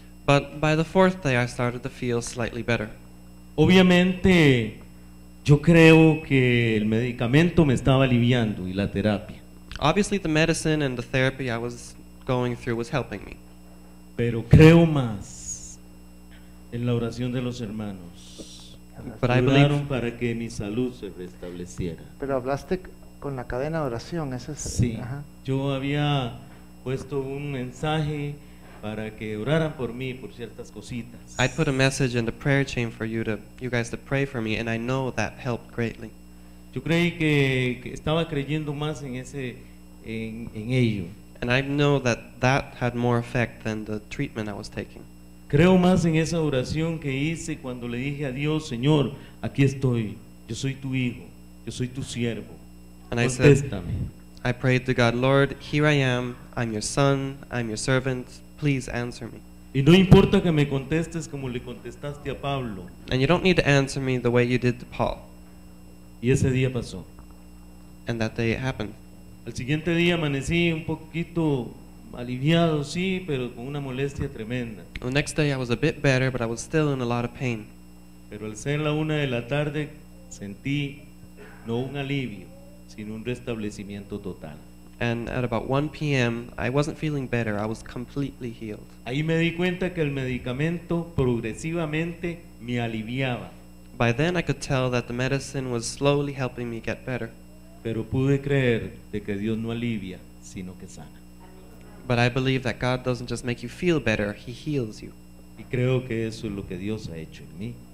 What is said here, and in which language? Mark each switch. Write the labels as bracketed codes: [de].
[en] But by the fourth day I started to feel slightly better. [es] Obviamente yo creo que el medicamento me estaba aliviando y la terapia. [en] Obviously the medicine and the therapy I was going through was helping me. [es] Pero creo más en la oración de los hermanos. [en] But I believe [es] para que mi salud se restableciera. Pero hablaste con la cadena de oración, ese es. Sí. Ajá. Yo había puesto un mensaje para que oraran por mí por ciertas cositas. [en] I put a message in the prayer chain for you guys to pray for me, and I know that helped greatly. [es] Yo creí que estaba creyendo más en ese en ello. [en] And I know that had more effect than the treatment I was taking. [es] Creo más en esa oración que hice cuando le dije a Dios, Señor, aquí estoy, yo soy tu hijo, yo soy tu siervo. [en] And I said, I prayed to God, Lord, here I am, I'm your son, I'm your servant, please answer me. [es] Y no importa que me contestes como le contestaste a Pablo. [en] And you don't need to answer me the way you did to Paul. [es] Y ese día pasó. [en] And that day it happened. [es] Al siguiente día amanecí un poquito aliviado, sí, pero con una molestia tremenda. [en] The next day I was a bit better, but I was still in a lot of pain. [es] Pero al ser la una de la tarde, sentí no un alivio, sino un restablecimiento total. [en] And at about 1 p.m., I wasn't feeling better, I was completely healed. [es] Ahí me di cuenta que el medicamento progresivamente me aliviaba. [en] By then I could tell that the medicine was slowly helping me get better. [es] Pero pude creer de que Dios no alivia, sino que sana. [en] But I believe that God doesn't just make you feel better, He heals you. [es] Y creo que eso es lo que Dios ha hecho en mí.